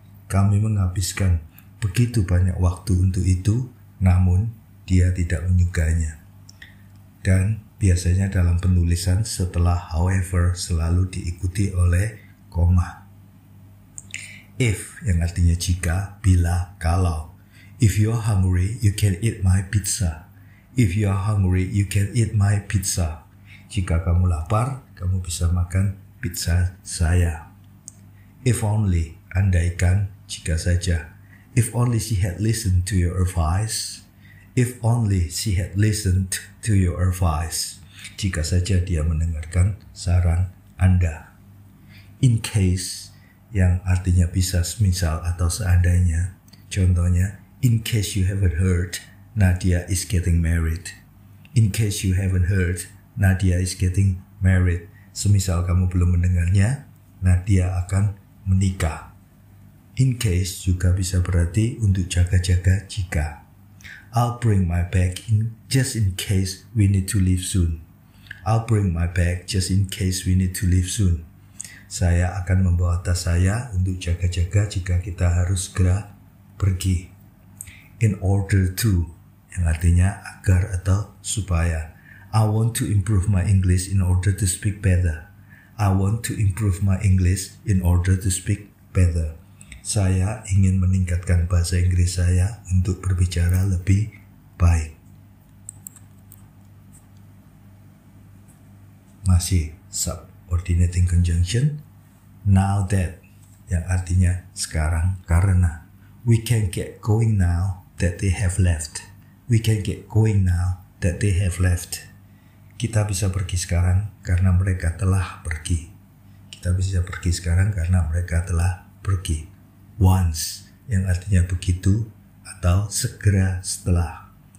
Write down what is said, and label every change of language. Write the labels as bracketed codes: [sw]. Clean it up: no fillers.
[id] Kami menghabiskan begitu banyak waktu untuk itu, namun dia tidak menyukainya. Dan biasanya dalam penulisan setelah however selalu diikuti oleh koma. If, yang artinya jika, bila, kalau. [en] If you're hungry, you can eat my pizza. If you're hungry, you can eat my pizza. [id] Jika kamu lapar, kamu bisa makan pizza saya. If only, andaikan, jika saja. [en] If only she had listened to your advice. If only she had listened to your advice. [id] Jika saja dia mendengarkan saran Anda. In case, yang artinya bisa semisal atau seandainya. [en] Contohnya, in case you haven't heard, Nadia is getting married. In case you haven't heard, Nadia is getting married. [id] Semisal kamu belum mendengarnya, Nadia akan menikah. In case juga bisa berarti untuk jaga-jaga jika. [en] I'll bring my bag in just in case we need to leave soon. I'll bring my bag just in case we need to leave soon. [id] saya akan membawa tas saya untuk jaga-jaga jika kita harus segera pergi. In order to, yang artinya agar atau supaya. [en] I want to improve my English in order to speak better. I want to improve my English in order to speak better. [id] Saya ingin meningkatkan bahasa Inggris saya untuk berbicara lebih baik. Masih subordinating conjunction. Now that, yang artinya sekarang, karena. [en] We can get going now that they have left. We can get going now that they have left. [id] Kita bisa pergi sekarang karena mereka telah pergi. Kita bisa pergi sekarang karena mereka telah pergi. Once, yang artinya begitu atau segera setelah.